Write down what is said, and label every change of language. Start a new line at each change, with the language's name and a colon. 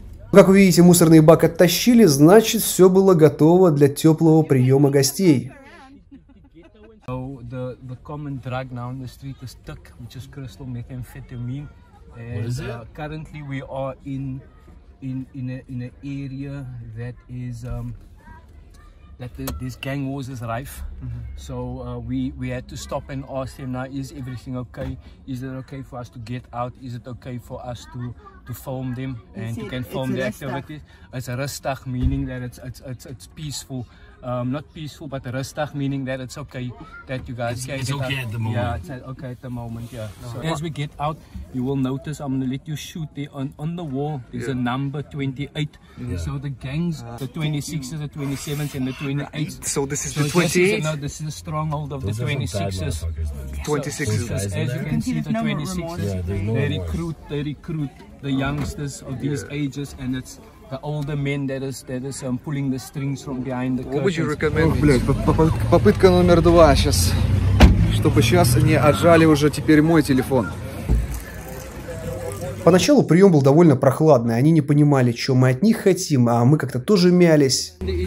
Russian: Как вы видите, мусорный бак оттащили, значит, все было готово для теплого приема гостей.
English: The common drug now on the street is tuck, which is crystal methamphetamine. Currently we are in an area that is that this gang wars is rife. Mm-hmm. So we had to stop and ask them, now is everything okay? Is it okay for us to get out? Is it okay for us to film them? And you can film the activities. It's a rustach, meaning that it's peaceful. Not peaceful, but rustach, meaning that it's okay that you guys can get out. It's okay at the moment. Yeah, it's okay at the moment, yeah. So as we get out, you will notice, I'm going to let you shoot there on the wall, there's a number 28. Yeah. So the gangs, the 26s, the 27s and the 28s. Right. So this is the 28? No, this is the stronghold of those the 26s. Yeah. 26s. So, as you can see, the 26s, they recruit the youngsters of these ages, and it's the older men that is pulling the strings from behind the curtains. What would you recommend?
Russian: Oh, блядь, попытка номер 2 сейчас. Чтобы сейчас не отжали уже теперь мой телефон. Поначалу прием был довольно прохладный. Они не понимали, что мы от них хотим, а мы как-то тоже мялись.